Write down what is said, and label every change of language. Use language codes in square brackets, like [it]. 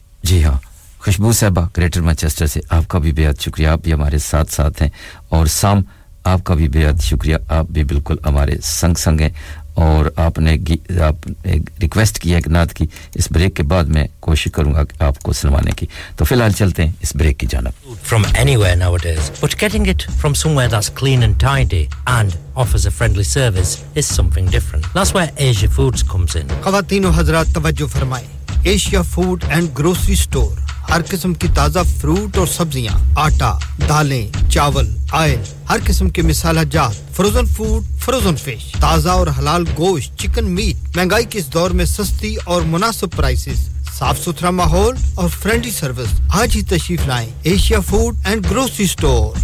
[ur] جی ہاں خوشبو صاحبہ گریٹر مانچسٹر سے آپ کا بھی بہت شکریہ آپ بھی ہمارے ساتھ ساتھ ہیں اور سام آپ کا بھی بہت شکریہ آپ بھی بالکل ہمارے سنگ سنگ ہیں اور آپ نے ریکویسٹ کیا ایک نعت کی اس بریک کے بعد میں کوشش کروں گا آپ کو سنوانے کی تو فی الحال چلتے ہیں اس بریک کی جانب [en] From anywhere nowadays but getting it from somewhere that's clean and tidy and offers a friendly service is something different That's where Asia Foods comes in [ur] خواتین و حضرات توجہ فرمائیں Asia Food and Grocery Store ہر قسم کی تازہ fruit اور سبزیاں آٹا دالیں چاول آئل ہر قسم کے مصالحہ جات فروزن فوڈ فروزن فش تازہ اور حلال گوشت چکن میٹ مہنگائی کے اس دور میں سستی اور مناسب پرائسز صاف ستھرا ماحول اور فرینڈلی سروس آج ہی تشریف لائیں Asia food and grocery store